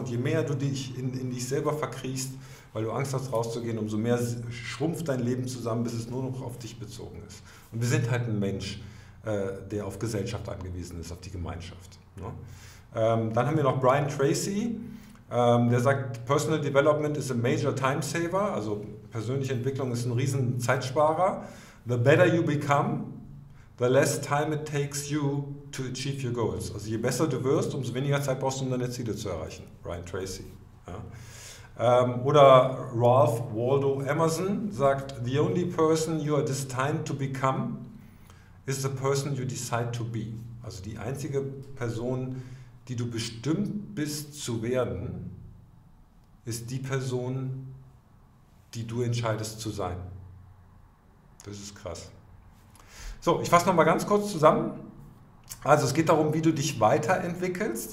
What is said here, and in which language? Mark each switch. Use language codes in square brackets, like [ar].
[de] Und je mehr du dich in dich selber verkriechst, weil du Angst hast, rauszugehen, umso mehr schrumpft dein Leben zusammen, bis es nur noch auf dich bezogen ist. Und wir sind halt ein Mensch, der auf Gesellschaft angewiesen ist, auf die Gemeinschaft. Ne? Dann haben wir noch Brian Tracy. Der sagt, [en] Personal Development is a major time saver, [de] also persönliche Entwicklung ist ein riesen Zeitsparer. [en] The better you become, the less time it takes you to achieve your goals. [de] Also je besser du wirst, umso weniger Zeit brauchst du, um deine Ziele zu erreichen. Brian Tracy. Ja. Oder [en] Ralph Waldo Emerson [de] sagt, [en] the only person you are destined to become is the person you decide to be. [de] Also die einzige Person, die du bestimmt bist zu werden, ist die Person, die du entscheidest zu sein. Das ist krass. So, ich fasse nochmal ganz kurz zusammen. Also es geht darum, wie du dich weiterentwickelst.